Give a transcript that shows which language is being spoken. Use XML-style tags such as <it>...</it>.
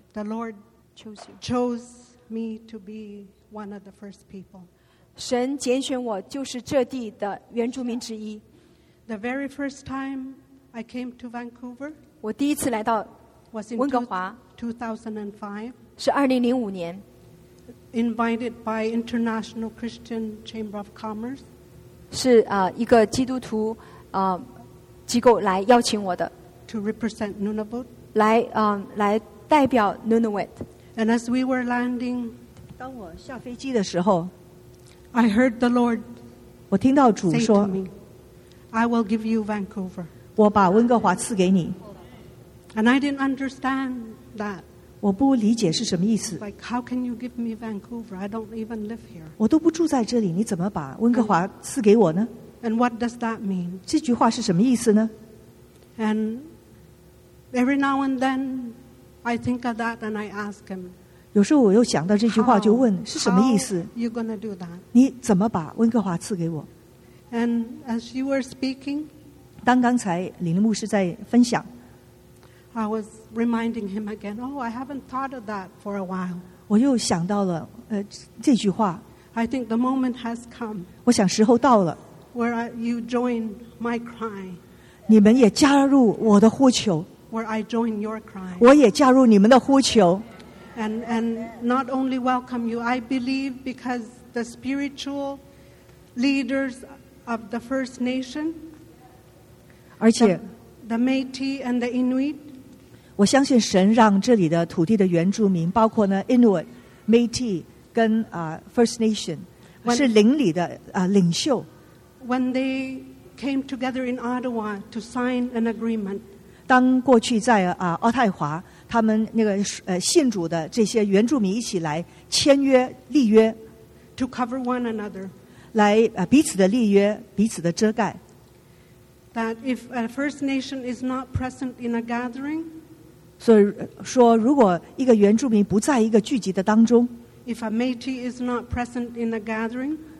<en>The Lord chose me to be one of the first people.</en> <zh>神拣选我就是这地的原住民之一。</zh> <en>The very first time I came to Vancouver.</en> <zh>我第一次来到温哥华。</zh> <en>2005.</en> <zh>是2005年。</zh> <en>Invited by International Christian Chamber of Commerce,</en> <zh>是一个基督徒机构来邀请我的</zh> <en>to represent Nunavut,</en> <zh>来代表 Nunavut.</zh> <en>And as we were landing,</en> <zh>当我下飞机的时候</zh> <en>I heard the Lord,</en> <zh>我听到主说</zh> <en>say to me, I will give you Vancouver.</en> <zh>我把温哥华赐给你</zh> <en>And I didn't understand that.</en> <zh>我不理解是什么意思。</zh> <en>Like, how can you give me Vancouver? I don't even live here.</en> <zh>我都不住在这里，你怎么把温哥华赐给我呢？</zh> <en>And what does that mean?</en> <zh>这句话是什么意思呢？</zh> <en>And every now and then, I think of that and I ask him.</en> <zh>有时候我又想到这句话，就问是什么意思？</zh> <en>How are you gonna do that?</en> <zh>你怎么把温哥华赐给我？</zh> <en>And as you were speaking,</en> <zh>当刚才李牧师在分享。</zh> <en>I was reminding him again. Oh, I haven't thought of that for a while.</en> <zh>我又想到了这句话。</zh> <en>I think the moment has come.</en> <zh>我想时候到了。</zh> <en>Where you join my cry.</en> <zh>你们也加入我的呼求。</zh> <en>Where I join your cry.</en> <zh>我也加入你们的呼求。</zh> <en>And not only welcome you, I believe because the spiritual leaders of the First Nation.</en> <zh>而且。</zh> <en>The Métis and the Inuit.</en> <zh>我相信神让这里的土地的原住民，包括呢 Inuit、Métis 跟First Nation， 是邻里的领袖。</zh> <en>When they came together in Ottawa to sign an agreement.</en> <zh>当过去在渥太华，他们那个信主的这些原住民一起来签约立约。</zh> <en>To cover one another.</en> <zh>来彼此的立约，彼此的遮盖。</zh> <en>That if a First Nation is not present in a gathering,</en> <zh>所以说如果一个原住民不在一个聚集的当中</zh> <en>，if a Métis is not present in a gathering,</en>